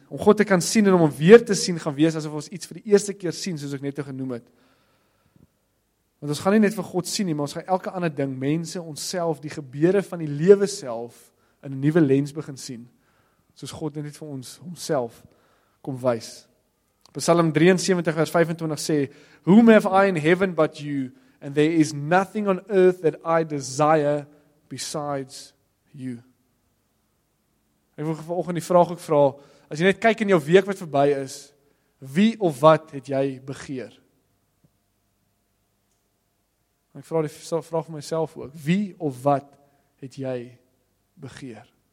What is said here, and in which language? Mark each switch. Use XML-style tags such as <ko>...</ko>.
<af>Om God te kan sien en om hom weer te sien gaan wees, asof ons iets vir die eerste keer sien, soos ek net al genoem het. Want ons gaan nie net vir God sien nie, maar ons gaan elke ander ding, mense, onsself, die gebeure van die lewe self, in 'n nuwe lens begin sien. Soos God net vir ons homself kom wys. Psalm 73 vers 25 sê,</af> <en>Whom have I in heaven but you, and there is nothing on earth that I desire besides you.</en> <af>Ek wil vanoggend die vraag ook vra, as jy net kyk in jou week wat verby is, wie of wat het jy begeer? Ek vra die vraag vir myself ook, wie of wat het jy begeer?</af>